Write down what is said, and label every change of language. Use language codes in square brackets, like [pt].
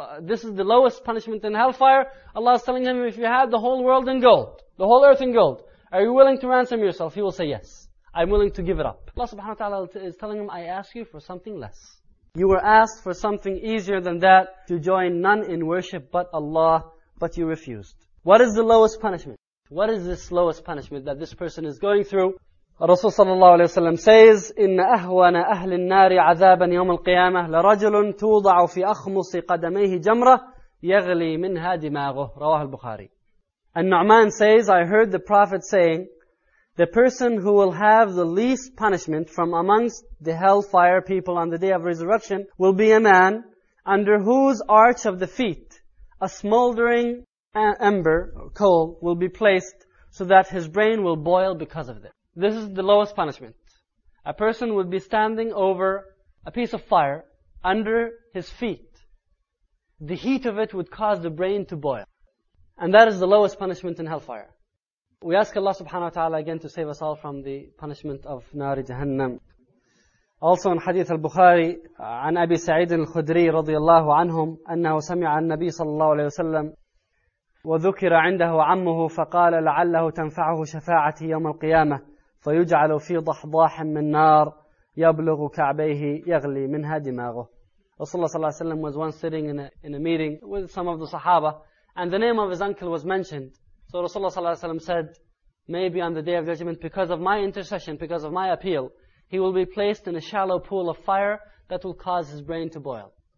[en] This is the lowest punishment in hellfire. Allah is telling him, if you had the whole world in gold, the whole earth in gold, are you willing to ransom yourself? He will say, yes. I'm willing to give it up. Allah subhanahu wa ta'ala is telling him, I ask you for something less. You were asked for something easier than that, to join none in worship but Allah, but you refused. What is the lowest punishment? What is this lowest punishment that this person is going through? Rasul sallallahu alayhi wa sallam says, [ar] إِنَّ أَهْوَنَ أَهْلِ النَّارِ عَذَابًا يَوْمَ الْقِيَامَةِ لَرَجُلٌ تُوضَعُ فِي أَخْمُصِ قَدَمَيْهِ جَمْرَةِ يَغْلِي مِنْهَا دِمَاغُهُ. رواه البخاري. [en] And Nu'man says, I heard the Prophet saying, the person who will have the least punishment from amongst the hellfire people on the day of resurrection will be a man under whose arch of the feet a smoldering ember, coal, will be placed so that his brain will boil because of it. This is the lowest punishment. A person would be standing over a piece of fire under his feet. The heat of it would cause the brain to boil. And that is the lowest punishment in hellfire. We ask Allah subhanahu wa ta'ala again to save us all from the punishment of Nari Jahannam. Also in Hadith al-Bukhari, [ar] عن أبي سعيد الخدري رضي الله عنهم أنه سمع النبي صلى الله عليه وسلم وذكر عنده عمه فقال لعله تنفعه شفاعتي يوم القيامة فيجعل في ضحضاح من نار يبلغ كعبيه يغلي منها دماغه. [en] Rasulullah sallallahu alayhi wa sallam was once sitting in a meeting with some of the Sahaba, and the name of his uncle was mentioned. So Rasulullah sallallahu alayhi wa sallam said, maybe on the Day of Judgment, because of my intercession, because of my appeal, he will be placed in a shallow pool of fire that will cause his brain to boil.